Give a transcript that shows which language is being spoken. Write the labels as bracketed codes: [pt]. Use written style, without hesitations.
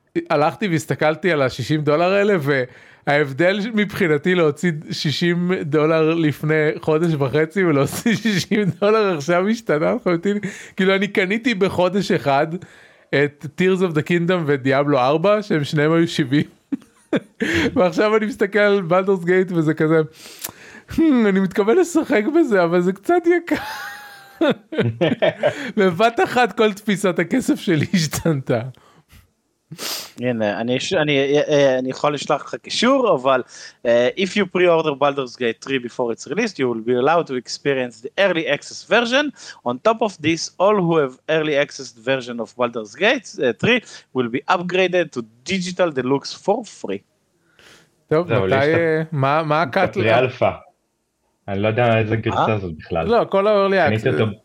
[he] הלכתי והסתכלתי על ה-60 דולר האלה וההבדל מבחינתי להוציא 60 דולר לפני חודש וחצי ולהוציא 60 דולר עכשיו השתנה, כאילו אני קניתי בחודש אחד את Tears of the Kingdom ודיאבלו 4 שהם שניהם היו 70 ועכשיו אני מסתכל על Baldur's Gate וזה כזה אני מתכוון לשחק בזה אבל זה קצת יקר בבת אחת כל תפיסת הכסף שלי השתנתה. הנה, אני יכול לשלח לך קישור, אבל [en] if you pre-order Baldur's Gate 3 before it's released, you will be allowed to experience the early access version. On top of this, all who have early access version of Baldur's Gate 3 will be upgraded to digital deluxe for free. [he] טוב, מתי, מה הקאט לך? פרי-אלפה. אני לא יודע איזה גרסה זאת בכלל. לא, כל ה-early access.